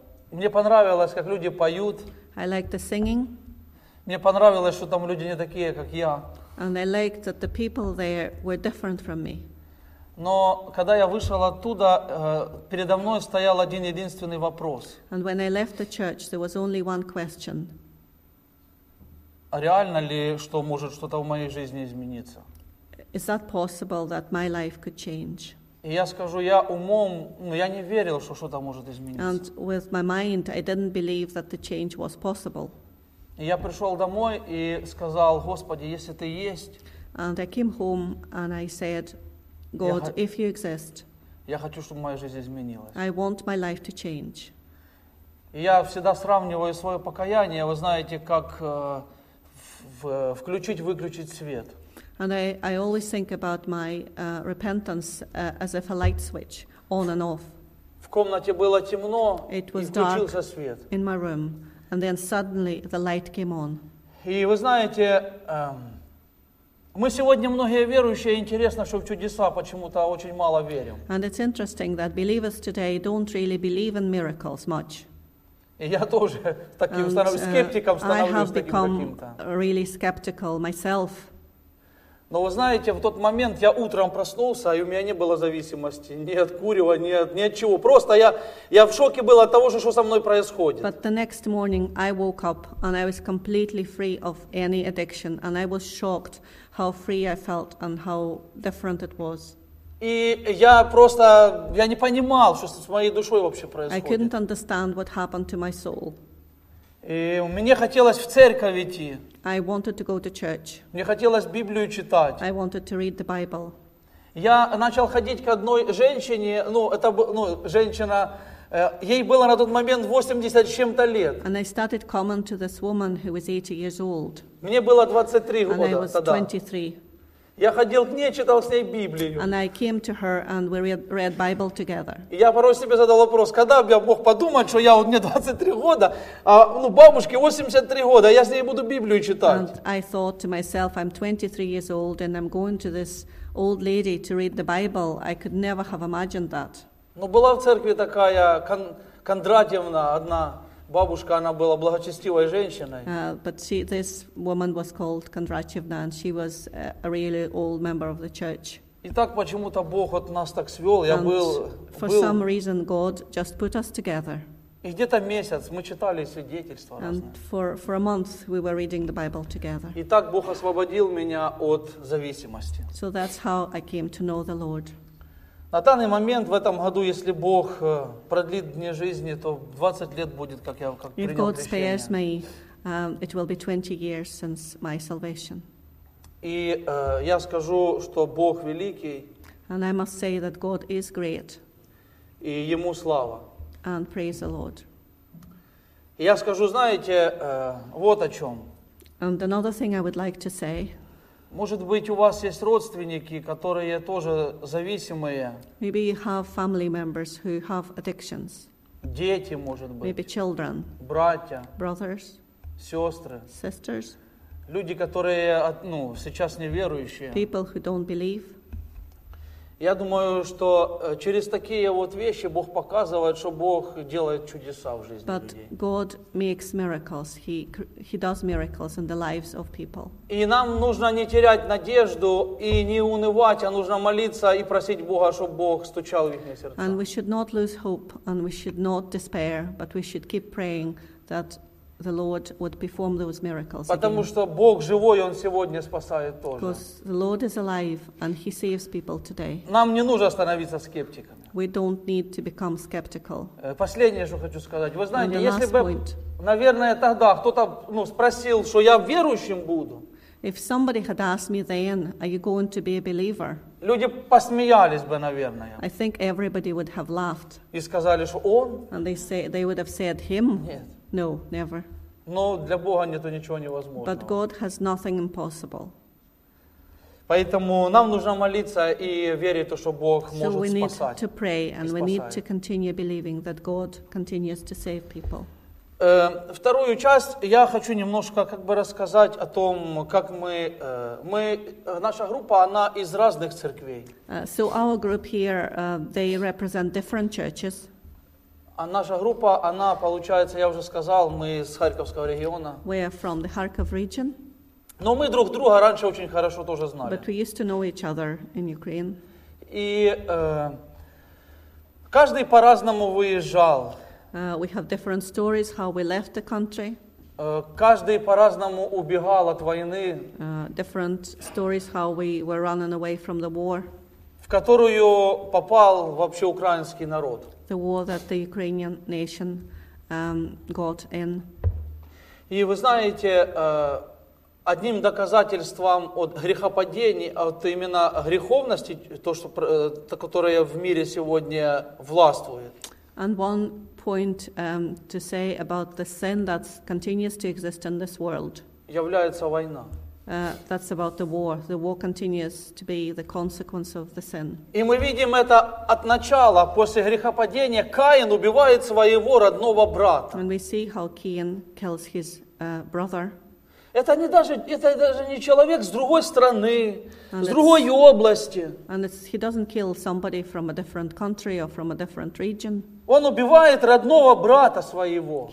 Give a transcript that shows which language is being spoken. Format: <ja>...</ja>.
<ru>Мне понравилось, как люди поют.</ru> <en>I liked the singing.</en> <ru>Мне понравилось, что там люди не такие, как я.</ru> <en>And I liked that the people there were different from me.</en> <ru>Но когда я вышел оттуда, передо мной стоял один единственный вопрос.</ru> <en>And when I left the church, there was only one question.</en> <ru>А реально ли, что может что-то в моей жизни измениться?</ru> <en>Is that possible that my life could change?</en> <ru>И я скажу, я умом, ну, я не верил, что что-то может измениться.</ru> <en>And with my mind, I didn't believe that the change was possible.</en> <ru>И я пришел домой и сказал, Господи, если ты есть.</ru> <en>And I came home and I said, God, if you exist.</en> <ru>Я хочу, чтобы моя жизнь изменилась.</ru> <en>I want my life to change.</en> <ru>И я всегда сравниваю свое покаяние, вы знаете, как включить-выключить свет.</ru> <en>And I always think about my repentance as if a light switch, on and off.</en> <ru>В комнате было темно,</ru> <en>it was dark</en> <ru>свет.</ru> <en>In my room, and then suddenly the light came on.</en> <ru>И вы знаете, мы сегодня многие верующие, интересно, что в чудеса почему-то очень мало верим.</ru> <en>And it's interesting that believers today don't really believe in miracles much.</en> <ru>И я тоже таким скептиком становлюсь.</ru> <en>I have</en> <ru>таким</ru> <en>become</en> <ru>каким-то.</ru> <en>Really skeptical myself.</en> <ru>Но вы знаете, в тот момент я утром проснулся, и у меня не было зависимости ни от курева, ни от чего. Просто я в шоке был от того, что со мной происходит.</ru> <en>But the next morning I woke up, and I was completely free of any addiction, and I was shocked how free I felt and how different it was.</en> <ru>И я просто, я не понимал, что с моей душой вообще происходит.</ru> <en>I couldn't understand what happened to my soul.</en> <ru>И мне хотелось в церковь идти.</ru> <en>I wanted to go to church.</en> <ru>Мне хотелось Библию читать.</ru> <en>I wanted to read the Bible.</en> <ru>Я начал ходить к одной женщине, ну, это, ну, женщина, Ей было на тот момент 80 с чем-то лет.</ru> <en>And I started coming to this woman who was 80 years old.</en> <ru>Мне было 23 года тогда.</ru> <en>And I was 23.</en> <ru>Я ходил к ней, читал с ней Библию.</ru> <en>And I came to her and we read Bible together.</en> <ru>И я порой себе задал вопрос, когда бы я мог подумать, что я вот мне 23 года, а ну бабушке 83 года, я с ней буду Библию читать.</ru> <en>And I thought to myself, I'm 23 years old and I'm going to this old lady to read the Bible. I could never have imagined that.</en> <ru>Но была в церкви такая Кондратьевна, одна бабушка, она была благочестивой женщиной.</ru> <en>But she, this woman was called Kondratyevna, and she was a really old member of the church.</en> <ru>И так почему-то Бог от нас так свел. Я был.</ru> <en>For some reason, God just put us together.</en> <ru>И где-то месяц мы читали свидетельства.</ru> <en>And for a month we were reading the Bible together.</en> <ru>И так Бог освободил меня от зависимости.</ru> <en>So that's how I came to know the Lord.</en> <ru>На данный момент, в этом году, если Бог продлит мне жизни, то 20 лет будет, как я принял решение.</ru> <en>If God spares me, it will be 20 years since my salvation.</en> <ru>И я скажу, что Бог великий.</ru> <en>And I must say that God is great.</en> <ru>И Ему слава.</ru> <en>And praise the Lord.</en> <ru>И я скажу, знаете, вот о чем.</ru> <en>And another thing I would like to say.</en> <ru>Может быть, у вас есть родственники, которые тоже зависимые.</ru> <en>Maybe you have family members who have addictions.</en> <ru>Дети, может быть.</ru> <en>Maybe children.</en> <ru>Братья.</ru> <en>Brothers.</en> <ru>Сестры.</ru> <en>Sisters.</en> <ru>Люди, которые, ну, сейчас неверующие.</ru> <en>People who don't believe.</en> <ru>Я думаю, что через такие вот вещи Бог показывает, что Бог делает чудеса в жизни</ru> <en>But</en> <ru>людей.</ru> <en>But God makes miracles. He does miracles in the lives of people.</en> <ru>И нам нужно не терять надежду и не унывать, а нужно молиться и просить Бога, чтобы Бог стучал в их сердца.</ru> <en>And we should not lose hope, and we should not despair, but we should keep praying that the Lord would perform those miracles</en> <ru>Потому</ru> <en>again.</en> <ru>Что Бог живой, Он сегодня спасает тоже.</ru> <en>Because the Lord is alive and He saves people today.</en> <ru>Нам не нужно становиться скептиками.</ru> <en>We don't need to become skeptical.</en> <ru>Последнее, что хочу сказать. Вы знаете, если бы, наверное, тогда кто-то спросил, что я верующим буду.</ru> <en>If somebody had asked me then, are you going to be a believer?</en> <ru>Люди посмеялись бы, наверное.</ru> <en>I think everybody would have laughed.</en> <ru>И сказали, что он.</ru> <en>And they would have said him.</en> <ru>Нет.</ru> <en>No, never.</en> <ru>Но для Бога нету ничего невозможного.</ru> <en>But God has nothing impossible.</en> <ru>Поэтому нам нужно молиться и верить в то, что Бог может спасать.</ru> <en>So we need to pray and we need to continue believing that God continues to save people.</en> <ru>Вторую часть я хочу немножко как бы рассказать о том, как мы наша группа, она из разных церквей.</ru> <en>So our group here, they represent different churches.</en> <ru>А наша группа, она, получается, я уже сказал, мы из Харьковского региона.</ru> <en>We are from the Kharkov region.</en> <ru>Но мы друг друга раньше очень хорошо тоже знали.</ru> <en>But we used to know each other in Ukraine.</en> <ru>И каждый по-разному выезжал.</ru> <en>We have different stories how we left the country.</en> <ru>Каждый по-разному убегал от войны.</ru> <en>Different stories how we were running away from the war.</en> <ru>В которую попал вообще украинский народ.</ru> <en>The war that the Ukrainian nation got in.</en> <ru>И вы знаете, одним доказательством от грехопадений, от именно греховности, то, что, которое в мире сегодня властвует.</ru> <en>And one point to say about the sin that continues to exist in this world.</en> <ru>Является война.</ru> <en>That's about the war. The war continues to be the consequence of the sin.</en> <ru>И мы видим это от начала, после грехопадения, Каин убивает своего родного брата.</ru> <en>And we see how Cain kills his brother.</en> <ru>Это даже не человек с другой страны, с другой области.</ru> <en>And he doesn't kill somebody from a different country or from a different region.</en> <ru>Он убивает родного брата своего.</ru>